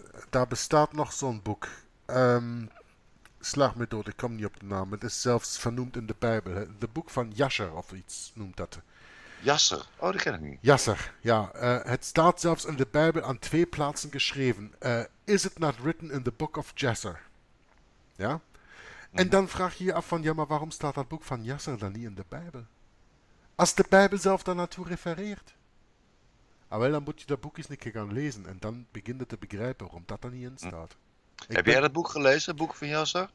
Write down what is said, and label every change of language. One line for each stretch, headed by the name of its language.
Dutch: Daar bestaat nog zo'n boek. Slag me dood, ik kom niet op de naam. Het is zelfs vernoemd in de Bijbel. Het boek van Jasher of iets noemt dat. Jasher? Oh, dat ken ik niet. Jasher, ja. Het staat zelfs in de Bijbel aan twee plaatsen geschreven.
English: Is it not written in the book of Jasher?
Dutch: Ja? En dan vraag je je af van, ja, maar waarom staat dat boek van Jasher dan niet in de Bijbel? Als de Bijbel zelf daarnaartoe refereert. Ah, wel, dan moet je dat boek eens een keer gaan lezen. En dan begin je te begrijpen waarom dat er niet in staat. Heb jij dat boek gelezen, het boek van Jasser?